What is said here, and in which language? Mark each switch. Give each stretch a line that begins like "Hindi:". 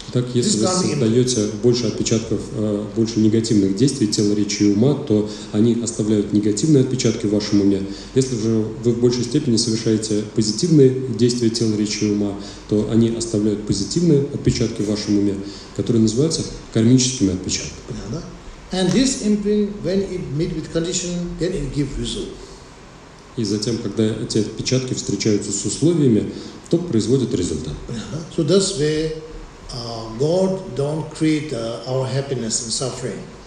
Russian: Так, если вы создаете больше отпечатков, больше негативных действий тела, речи и ума, то они оставляют негативные отпечатки в вашем уме. Если же вы в большей степени совершаете позитивные действия тела, речи и ума, то они оставляют позитивные отпечатки в вашем уме, которые называются кармическими отпечатками.
English: And this imprint, when it meet with condition, then it give result.
Russian: И затем, когда эти отпечатки встречаются с условиями, то производит результат.
English: So that's where God don't create our happiness and suffering.